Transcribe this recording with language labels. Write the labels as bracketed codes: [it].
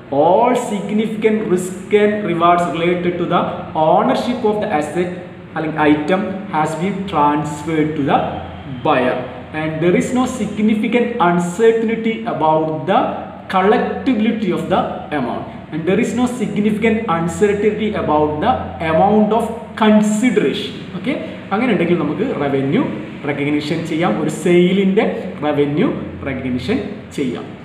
[en] All significant risk and rewards related to the ownership of the asset അല്ലെങ്കിൽ item has been transferred to the buyer. And there is no significant uncertainty about the collectability of the amount. And there is no significant uncertainty about the amount of consideration. Okay? [ml] അങ്ങനെ ഉണ്ടെങ്കിൽ നമുക്ക് revenue recognition ചെയ്യാം, ഒരു സെയിലിൻ്റെ revenue recognition ചെയ്യാം.